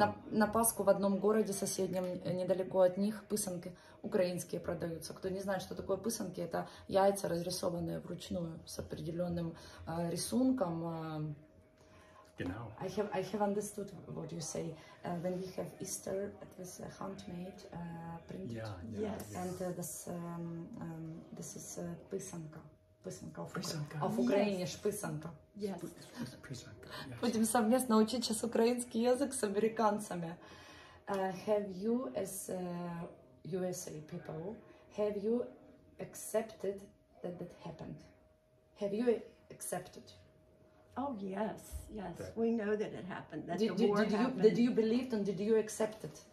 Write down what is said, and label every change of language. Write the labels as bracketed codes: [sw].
[ru] На Пасху в одном городе соседнем, недалеко от них, пысанки украинские продаются. Кто не знает, что такое пысанки, это яйца, разрисованные вручную с определенным рисунком. [de] Genau. [en] I have understood what you say. When we have Easter, it was handmade, printed. Yeah, yeah, yes. And this is pysanka. [uk] Писанка. [ru] А в Украине ж писанка. [en] Yes. [ru] Будем совместно учить сейчас украинский язык с американцами. [en] Have you, as USA people, have you accepted that that happened? Have you accepted? Oh, yes, yes. We know that it happened, that the war happened. Did you believe and did you accept it?